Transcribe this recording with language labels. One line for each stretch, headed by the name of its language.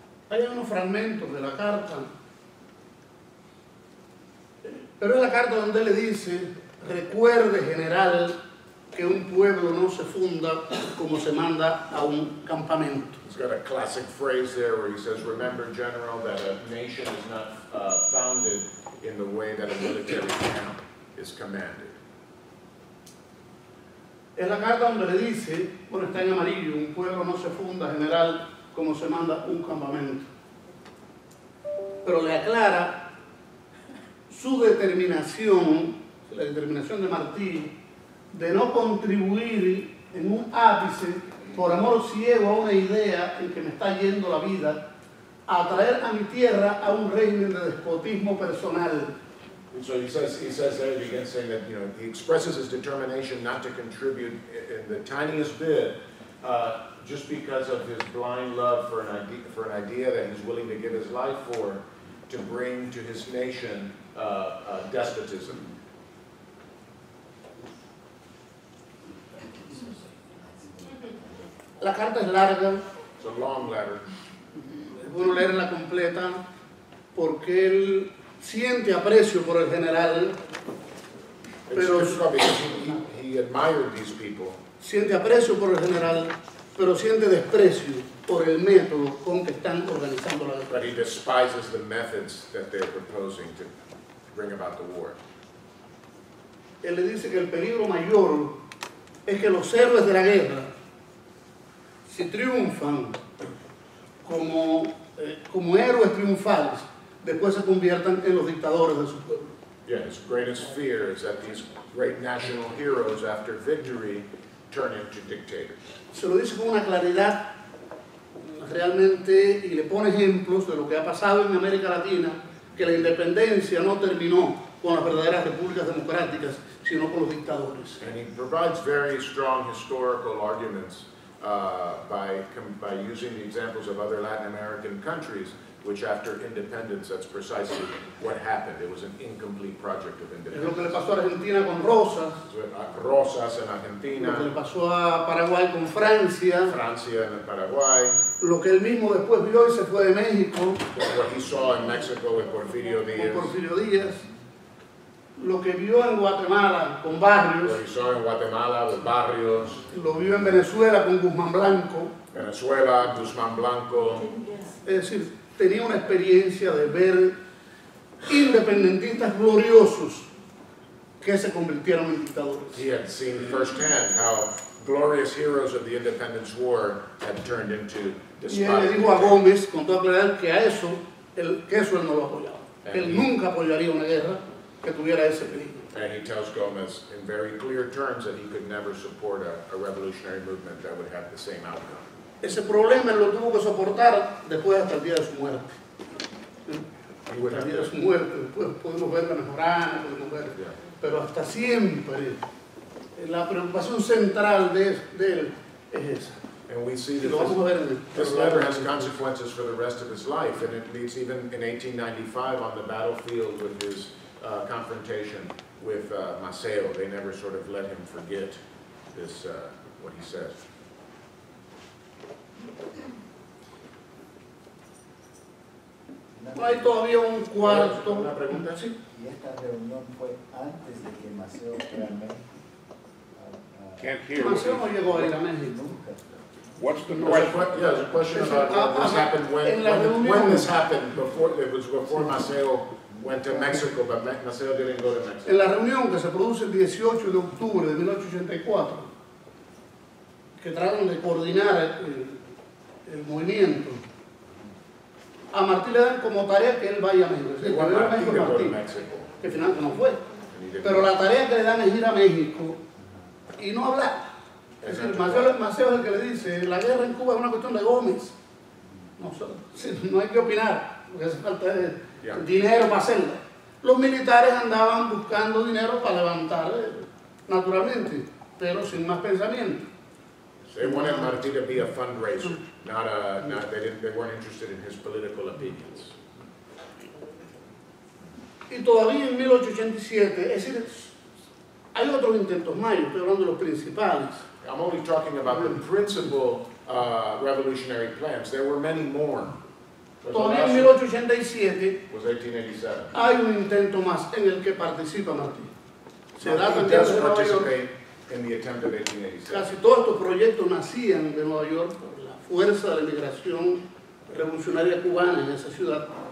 Spanish: Hay unos fragmentos de la carta, pero es la carta donde le dice, recuerde general que un pueblo no se funda como se manda a un campamento.
English: He's got a classic phrase there where he says, remember general that a nation is not founded in the way that a military camp is commanded.
Spanish: Es la carta donde le dice, bueno, está en amarillo, un pueblo no se funda general como se manda un campamento. Pero le aclara su determinación, la determinación de Martí, de no contribuir en un ápice, por amor ciego a una idea en que me está yendo la vida, a traer a mi tierra a un régimen de despotismo personal.
English: And so he says there, he begins saying that, you know, he expresses his determination not to contribute in the tiniest bit, just because of his blind love for an idea that he's willing to give his life for, to bring to his nation despotism.
Spanish: La carta es larga.
English: It's a long letter.
Spanish: Es bueno leerla completa porque él siente aprecio por el general.
English: Pero it's good because he admired these people.
Spanish: Siente aprecio por el general, pero siente desprecio por el método con que están organizando la guerra.
English: But he despises the methods that they're proposing to bring about the war.
Spanish: Él le dice que el peligro mayor es que los héroes de la guerra, si triunfan como, como héroes triunfales, después se conviertan en los dictadores de su pueblo.
English: Yeah, his greatest fear is that these great national heroes, after victory, turn into dictators.
Spanish: Se lo dice con una claridad realmente, y le pone ejemplos de lo que ha pasado en América Latina, que la independencia no terminó con las verdaderas repúblicas democráticas, sino con los dictadores.
English: And he provides very strong historical arguments by using the examples of other Latin American countries, which after independence, that's precisely what happened. It was an incomplete project of independence.
Spanish: Es lo que le pasó a Argentina con Rosas. Rosas en Argentina. Lo que le pasó a Paraguay con Francia. Francia en Paraguay. Lo que él mismo después vio y se fue de México.
English: What he saw in Mexico with Porfirio Díaz.
Spanish: Con Porfirio Díaz. Lo que vio en Guatemala con Barrios.
English: What he saw in Guatemala with Barrios.
Spanish: Lo vio en Venezuela con Guzmán Blanco. Venezuela, Guzmán Blanco. Yes. Es decir, tenía una experiencia de ver independentistas gloriosos que se convirtieron en dictadores.
English: He had seen firsthand how glorious heroes of the independence war had turned into despotic.
Spanish: Y él le dijo a Gómez, con toda claridad, que a eso, el, que eso él no lo apoyaba. And él nunca apoyaría una guerra que tuviera ese peligro.
English: And he tells Gómez in very clear terms that he could never support a revolutionary movement that would have the same outcome.
Spanish: Ese problema él lo tuvo que soportar después hasta el día de su muerte. Hasta el día de su muerte, después podemos verla mejorar, podemos ver. Pero hasta siempre, la preocupación central de él es esa.
English: And we see that this letter has consequences for the rest of his life, and it leads even in 1895 on the battlefield with his confrontation with Maceo. They never sort of let him forget this, what he says.
Spanish: No hay todavía un cuarto. Una pregunta, sí. ¿Y esta reunión fue antes de que Maceo fuera a México? Maceo no llegó a ir a México.
English: What's the question? Yeah, the question about this happened when this happened before. It was before Maceo went to Mexico, but Maceo didn't go to Mexico.
Spanish: En la reunión que se produce el 18 de octubre de 1884, que trataron de coordinar el movimiento, a Martí le dan como tarea que él vaya a México. Sí, México, Martí, que finalmente no fue. Pero la tarea que le dan es ir a México y no hablar. Es decir, Maceo es el que le dice, la guerra en Cuba es una cuestión de Gómez. No hay que opinar, porque hace falta dinero para hacerla. Los militares andaban buscando dinero para levantar, naturalmente, pero sin más pensamiento.
English: They wanted Martí to be a fundraiser, they weren't interested in his political opinions.
Spanish: Y todavía en 1887, es decir, hay otros intentos más, estoy hablando de los principales.
English: I'm only talking about the principal revolutionary plans. There were many more.
Spanish: Todavía en 1887,
English: was 1887.
Spanish: Hay un intento más en el que participa Martí. Se da cuenta de que
English: in the attempt of 1887.
Spanish: Casi todos estos proyectos nacían de Nueva York por la fuerza de la emigración revolucionaria cubana en esa ciudad.